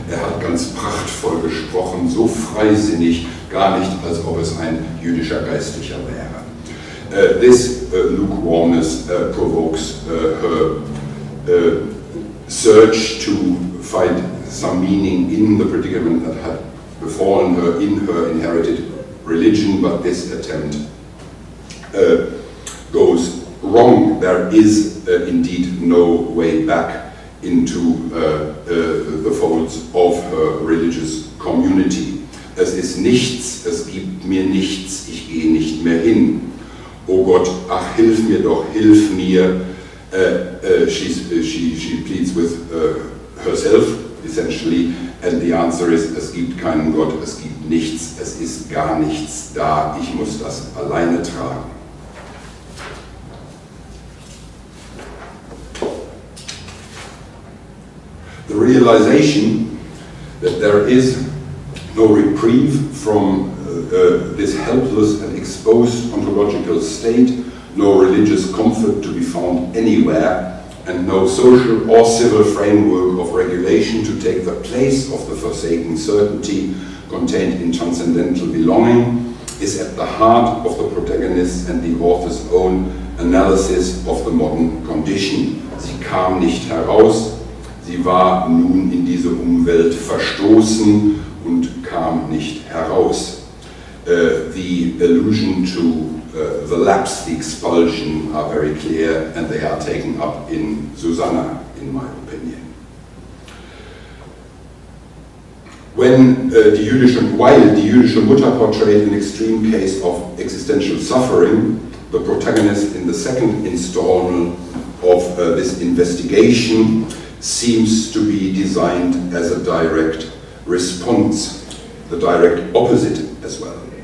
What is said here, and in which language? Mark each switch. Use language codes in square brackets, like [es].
[de] Er hat ganz prachtvoll gesprochen, so freisinnig, gar nicht, als ob es ein jüdischer Geistlicher wäre. [en] This lukewarmness provokes her search to find some meaning in the predicament that had befallen her in her inherited religion, but this attempt goes wrong. There is indeed no way back into the folds of her religious community. [de] Es ist nichts, es gibt mir nichts, ich gehe nicht mehr hin. Oh Gott, ach, hilf mir doch, hilf mir. [en] She pleads with herself, essentially, and the answer is, [de] es gibt keinen Gott, es gibt nichts, es ist gar nichts da, ich muss das alleine tragen. [en] The realization that there is no reprieve from this helpless and exposed ontological state, no religious comfort to be found anywhere, and no social or civil framework of regulation to take the place of the forsaken certainty contained in transcendental belonging, is at the heart of the protagonist's and the author's own analysis of the modern condition. [de] Sie kam nicht heraus, sie war nun in diese Umwelt verstoßen und kam nicht heraus. [en] The allusion to the lapse, the expulsion, are very clear, and they are taken up in Susanna, in my opinion. When the jüdische Mutter portrayed an extreme case of existential suffering, the protagonist in the second installment of this investigation seems to be designed as a direct response, the direct opposite as well.